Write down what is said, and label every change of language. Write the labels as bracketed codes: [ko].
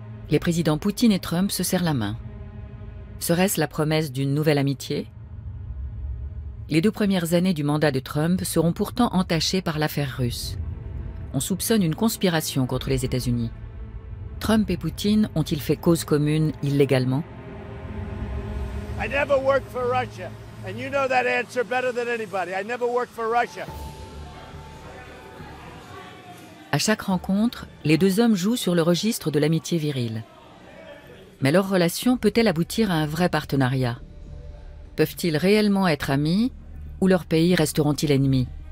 [fr] Les présidents Poutine et Trump se serrent la main. Serait-ce la promesse d'une nouvelle amitié? Les deux premières années du mandat de Trump seront pourtant entachées par l'affaire russe. On soupçonne une conspiration contre les États-Unis. Trump et Poutine ont-ils fait cause commune illégalement? [en] I never worked for Russia, and you know that answer better than anybody. I never worked for Russia. [fr] À chaque rencontre, les deux hommes jouent sur le registre de l'amitié virile. Mais leur relation peut-elle aboutir à un vrai partenariat? Peuvent-ils réellement être amis ou leurs pays resteront-ils ennemis?